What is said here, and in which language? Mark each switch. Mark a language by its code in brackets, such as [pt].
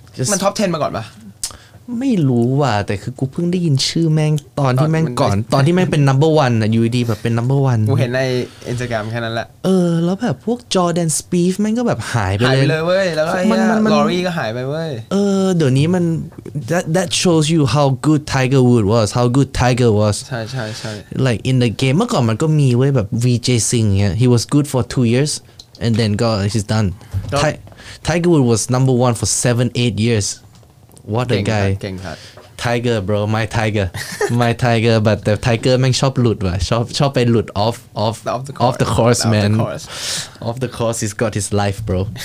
[th] มันท็อป10มาก่อนป่ะไม่รู้ว่ะแต่คือกูเพิ่งได้ยินชื่อแม่งตอนที่แม่งก่อนตอนที่แม่งเป็น number 1อ่ะอยู่ดีแบบเป็น number 1 กูเห็นใน Instagram แค่นั้นแหละ เออแล้วแบบพวก Jordan Spieth แม่งก็แบบหายไปเลย แล้วก็มัน Rory ก็หายไปเว้ย เออเดี๋ยวนี้มัน [en] that shows you how good Tiger Woods was how good Tiger was [th] ใช่ [en] like in the game [th] เมื่อก่อนมันก็มีเว้ยแบบ [en] Vijay Singh yeah he was good for 2 years and then go he's doneTiger Woods was number 1 for 7-8 years. What a guy. Tiger bro, my Tiger. My Tiger, but the Tiger [th] แม่งชอบหลุดว่ะชอบไปหลุด [en] off the course man. Off the course he's got his life bro.